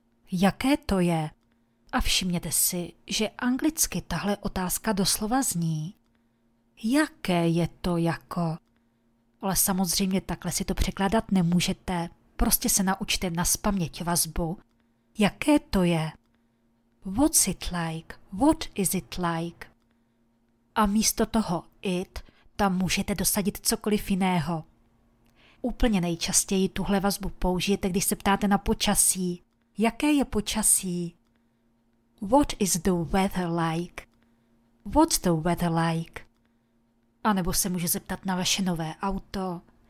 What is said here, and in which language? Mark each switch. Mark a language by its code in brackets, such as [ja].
[cs] Jaké to je? A všimněte si, že anglicky tahle otázka doslova zní. Jaké je to jako? Ale samozřejmě takhle si to překládat nemůžete. Prostě se naučte naspaměť vazbu. Jaké to je? [en] What's it like? What is it like? [cs] A místo toho it tam můžete dosadit cokoliv jiného. Úplně nejčastěji tuhle vazbu použijete, když se ptáte na počasí. Jaké je počasí? [en] What is the weather like? What's the weather like? [cs] A nebo se může zeptat na vaše nové auto.